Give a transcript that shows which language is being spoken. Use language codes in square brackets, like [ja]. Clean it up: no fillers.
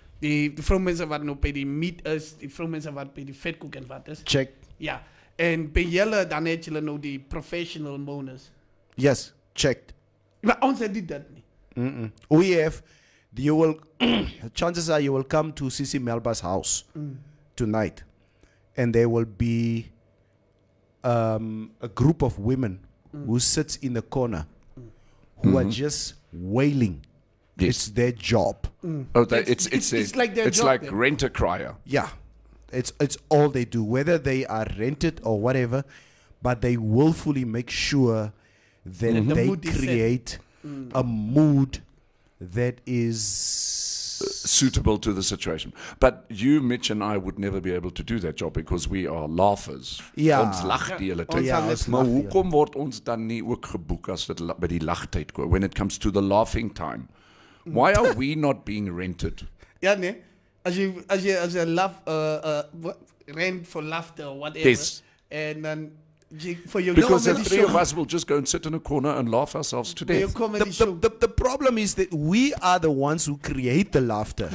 [af] Die vrouw mense wat nou bij die meat is, die vrouw mense wat bij die vet kook en wat is. [en] Check. [af] Ja. Yeah. En bij jelle, dan het jelle nou die [en] professional bonus. Yes, checked. [af] Maar ons het die dat nie. [en] Mm-mm. We have... You will, chances are you will come to Sisi Melba's house tonight, and there will be a group of women who sits in the corner who are just wailing. Yes. It's their job. Mm. Oh, it's like their it's job. Like rent a crier. Yeah, it's all they do, whether they are rented or whatever, but they willfully make sure that they create a mood that is suitable to the situation. But you, Mitch, and I would never be able to do that job because we are laughers. Yeah. [af] Ons lach die hele tyd. Ja, maar hoekom word ons dan nie ook geboek as dit by die lachtyd kom? [en] When it comes to the laughing time, why are we not being rented? [af] Ja, nee. [en] As you laugh, rent for laughter or whatever. Yes. And then... For your because the three of us will just go and sit in a corner and laugh ourselves to death. The problem is that we are the ones who create the laughter.